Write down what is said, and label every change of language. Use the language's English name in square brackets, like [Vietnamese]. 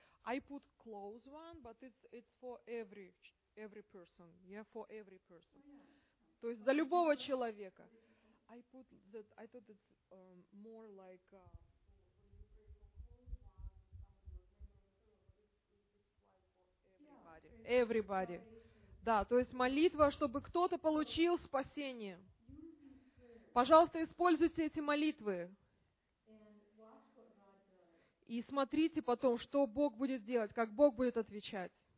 [English] I put close one, but it's for every person. Yeah, for every person. [Russian] То есть за любого человека. [English] I put that, I thought it's more like everybody. [Russian] Да, то есть молитва, чтобы кто-то получил спасение. Пожалуйста, используйте эти молитвы. И смотрите потом, что Бог будет делать, как Бог будет отвечать.